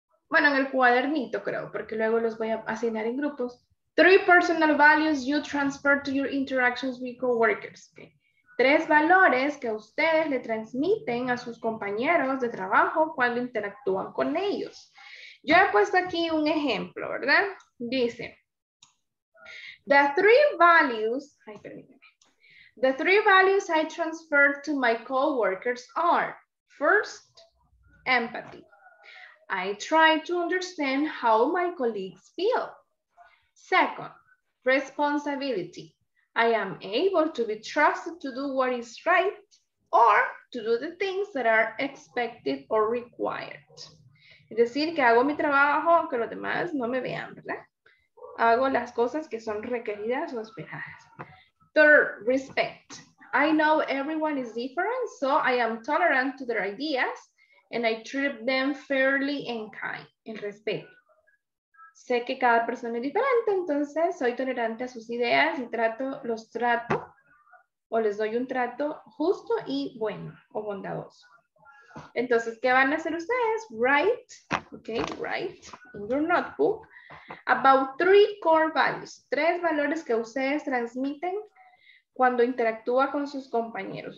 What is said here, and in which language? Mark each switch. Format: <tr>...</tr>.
<es>Bueno, en el cuadernito creo, porque luego los voy a asignar en grupos.</es> <en>Three personal values you transfer to your interactions with coworkers. Okay.</en> <es>Tres valores que ustedes le transmiten a sus compañeros de trabajo cuando interactúan con ellos. Yo he puesto aquí un ejemplo, ¿verdad? Dice,</es> <en>the three values I transfer to my coworkers are, first, empathy. I try to understand how my colleagues feel. Second, responsibility. I am able to be trusted to do what is right or to do the things that are expected or required.</en> <es>Es decir, que hago mi trabajo aunque los demás no me vean, ¿verdad? Hago las cosas que son requeridas o esperadas.</es> <en>Third, respect. I know everyone is different, so I am tolerant to their ideas. And I treat them fairly and kind,</en> <es>en respeto. Sé que cada persona es diferente, entonces soy tolerante a sus ideas y los trato o les doy un trato justo y bueno o bondadoso. Entonces, ¿qué van a hacer ustedes?</es> <en>Write in your notebook about three core values,</en> <es>tres valores que ustedes transmiten cuando interactúa con sus compañeros.</es>